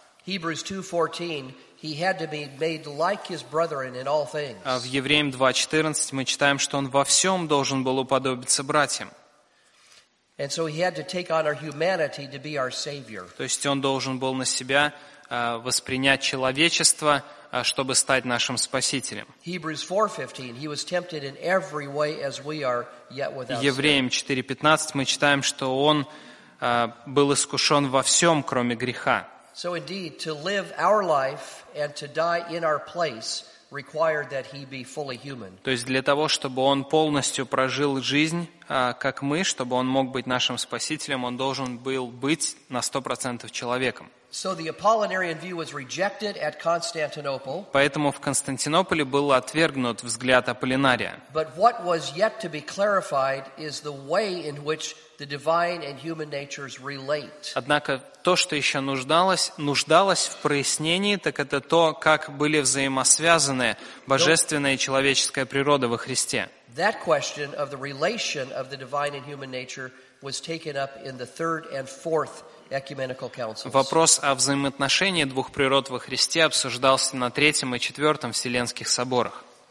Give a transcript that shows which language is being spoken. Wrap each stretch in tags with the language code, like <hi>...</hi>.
<en>Hebrews 2:14, he had to be made like his brethren in all things.</en> <ru>В Евреям 2:14 мы читаем, что он во всем должен был уподобиться братьям.</ru> <en>And so he had to take on our humanity to be our savior.</en> <ru>То есть он должен был на себя воспринять человечество, чтобы стать нашим спасителем.</ru> <en>Hebrews 4:15, he was tempted in every way as we are, yet without sin.</en> <ru>Евреям 4:15 мы читаем, что он был искушен во всем, кроме греха.</ru> <en>So indeed, to live our life and to die in our place required that he be fully human.</en> <ru>То есть для того, чтобы он полностью прожил жизнь, как мы, чтобы он мог быть нашим спасителем, он должен был быть на 100% человеком.</ru> <en>So the Apollinarian view was rejected at Constantinople.</en> <ru>Поэтому в Константинополе был отвергнут взгляд Аполлинария.</ru> <en>But what was yet to be clarified is the way in which the divine and human natures relate.</en> <ru>Однако то, что еще нуждалось в прояснении, так это то, как были взаимосвязаны божественная и человеческая природа во Христе.</ru> <en>That question of the relation of the divine and human nature was taken up in the third and fourth ecumenical councils.</en> <ru>Вопрос о взаимоотношении двух природ во Христе обсуждался на третьем и четвертом Вселенских соборах.</ru>